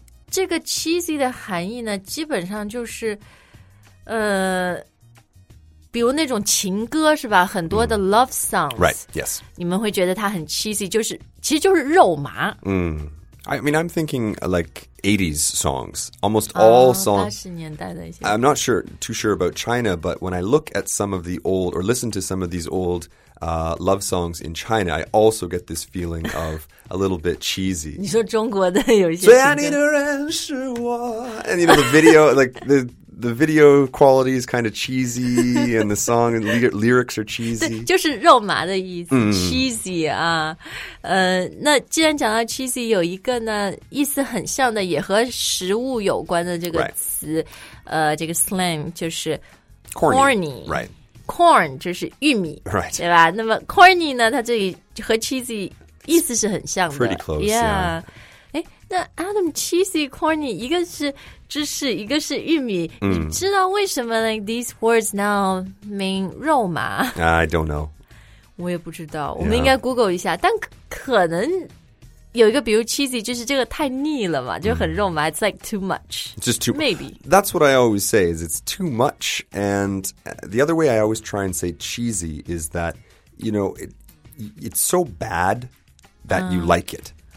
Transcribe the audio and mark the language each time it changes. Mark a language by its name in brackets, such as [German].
[Chinese] 这个 cheesy 的含义呢基本上就是比如那种情歌是吧很多的 [English] love songs、 Right, yes [Chinese] 你们会觉得它很 cheesy 就是其实就是肉麻、 [English] I mean I'm thinking like 80s songs Almost all songs [Chinese] 80年代的一些 [English] I'm not sure too sure about China But when I look at some of the old Or listen to some of these oldlove songs in China, I also get this feeling of a little bit cheesy. [Chinese] 你说中国的有一些情歌。最爱你的人是我。 [English] And you know, the video, like, the video quality is kind of cheesy, and the song and lyrics are cheesy. [Chinese] 对就是肉麻的意思、cheesy 啊。那既然讲到 cheesy, 有一个呢意思很像的也和食物有关的这个词、 [English] right. [Chinese] 这个 slang 就是 [English] corny. Right. [Chinese] Corn 就是玉米、 [English] right. [Chinese] 对吧那么 corny 呢它这里和 cheesy 意思是很像的 [English] Pretty close, yeah, yeah. [Chinese] 那 Adam, cheesy, corny 一个是芝士一个是玉米、你知道为什么 [English] like, these words now mean [Chinese] 肉麻 [English] I don't know [Chinese] 我也不知道我们应该 Google 一下、 [English] yeah. [Chinese] 但可能有一个比如 cheesy 就是这个太腻了嘛就很肉麻、 [English] It's like too much. Just too Maybe. That's what I always say is it's too much. And the other way I always try and say cheesy is that, you know, it's so bad that you like it.